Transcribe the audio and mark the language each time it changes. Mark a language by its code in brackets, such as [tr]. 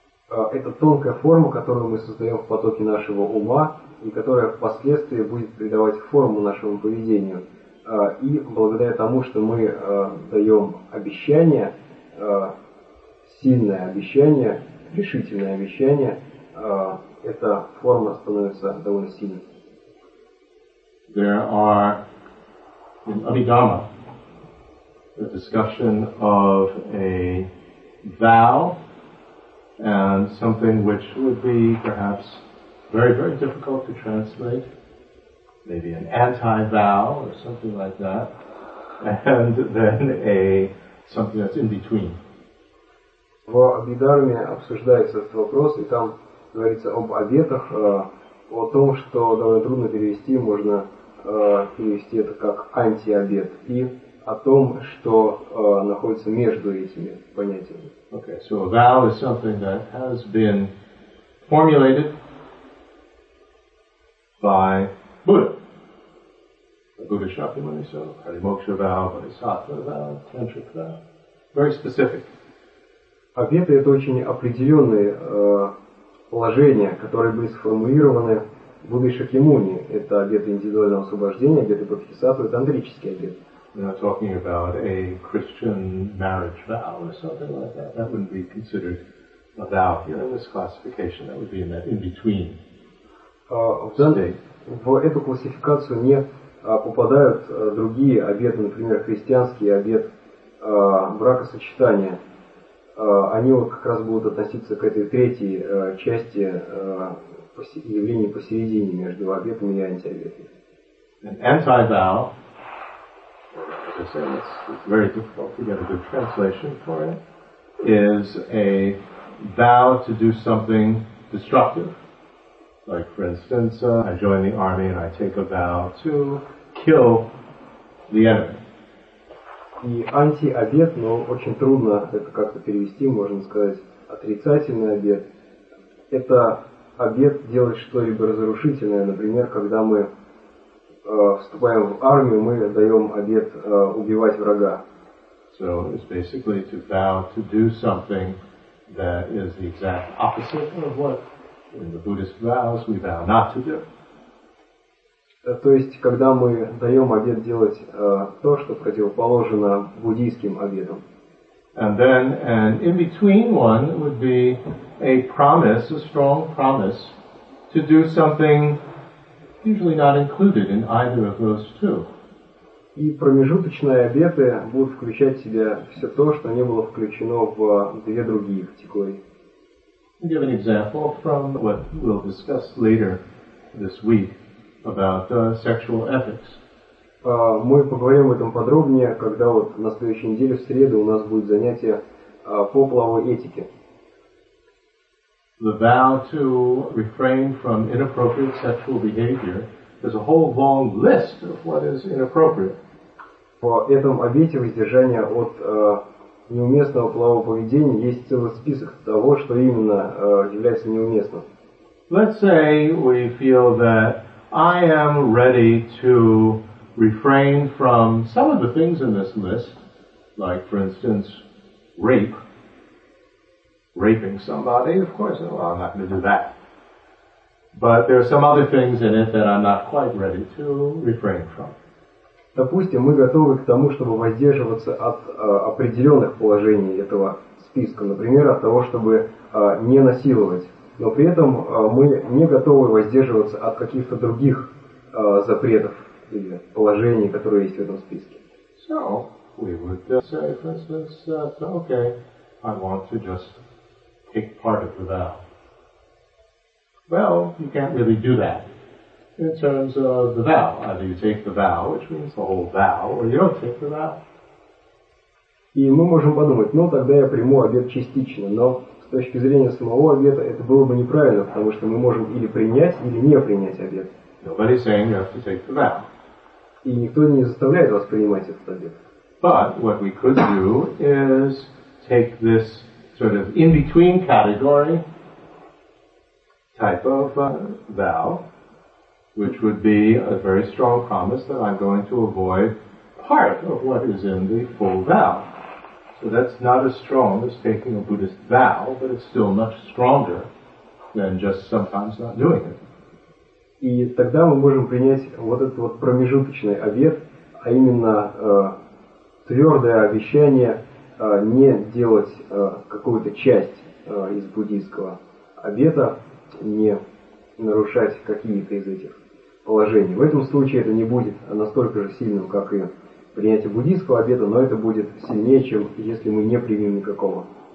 [ru] Это тонкая форма, которую мы создаем в потоке нашего ума и которая впоследствии будет придавать форму нашему поведению. И благодаря тому, что мы даем обещание, сильное обещание, решительное обещание, эта форма становится довольно сильной. [en] There are in Abhidhamma a discussion of a vow and something which would be perhaps very, very difficult to translate. Maybe an anti-vow or something like that, and then a something that's in between. [ru] В Абхидхарме обсуждается этот вопрос, и там говорится об обетах, о том, что довольно трудно перевести, можно перевести это как анти-обет, и о том, что находится между этими понятиями. [en] Okay, so a vow is something that has been formulated by Buddha. Buddha Shakyamuni, so Parimoksha vow, Bodhisattva vow, Tantric vow. Very specific. [ru] Обеты — это очень определенные положения, которые были сформулированы Буддой Шакьямуни. Это обеты индивидуального освобождения, обеты бодхисаттвы, это тантрический обет. [en] We're not talking about a Christian marriage vow or something like that. That wouldn't be considered a vow here in this classification. That would be in that in-between state. [ru] В эту классификацию не попадают другие обеты, например, христианский обет бракосочетания. Они вот как раз будут относиться к этой третьей части явления посередине между обетами и антиобетами. [en] An anti-vow, as I said, it's very difficult to get a good translation for it, is a vow to do something destructive. Like, for instance, I join the army and I take a vow to kill the enemy. [ru] И анти-обет, но очень трудно это как-то перевести, можно сказать, отрицательный обет. Это обет делать что-либо разрушительное. Например, когда мы вступаем в армию, мы даем обет убивать врага. [en] So it's basically to vow to do something that is the exact opposite of what in the Buddhist vows, we vow not to do. [ru] То есть, когда мы даем обет делать то, что противоположно буддийским обетам. [en] And then an in-between one would be a promise, a strong promise, to do something usually not included in either of those two. [ru] И промежуточные обеты будут включать в себя все то, что не было включено в две другие категории. [en] I'll give an example from what we'll discuss later this week about sexual ethics. [ru] Мы поговорим об этом подробнее, когда вот на следующей неделе, в среду, у нас будет занятие по половой этике. [en] The vow to refrain from inappropriate sexual behavior. There's a whole long list of what is inappropriate. [ru] По этому обете воздержания от неуместного полового поведения есть целый список того, что именно является неуместным. [en] Let's say we feel that I am ready to refrain from some of the things in this list, like, for instance, rape. Raping somebody, of course, well, I'm not going to do that. But there are some other things in it that I'm not quite ready to refrain from. [ru] Допустим, мы готовы к тому, чтобы воздерживаться от определенных положений этого списка. Например, от того, чтобы не насиловать. Но при этом мы не готовы воздерживаться от каких-то других запретов или положений, которые есть в этом списке. [en] So, we would say, for instance, okay, I want to just take part of the vow. Well, you can't really do that in terms of the vow. Either you take the vow, which means the whole vow, or you don't take the vow. [ru] И мы можем подумать, ну тогда я приму обет частично, но с точки зрения самого обета это было бы неправильно, потому что мы можем или принять, или не принять обет. [en] Nobody's saying you have to take the vow. [ru] И никто не заставляет вас принимать этот обет. [en] But what we could do is take this sort of in-between category type of vow, which would be a very strong promise that I'm going to avoid part of what is in the full vow. So that's not as strong as taking a Buddhist vow, but it's still much stronger than just sometimes not doing it. [ru] И тогда мы можем принять вот этот вот промежуточный обет, а именно твердое обещание не делать какую-то часть из буддийского обета, не нарушать какие-то из этих положений. В этом случае это не будет настолько же сильным, как и принятие буддийского обета, но это будет сильнее, чем если мы не примем никакого.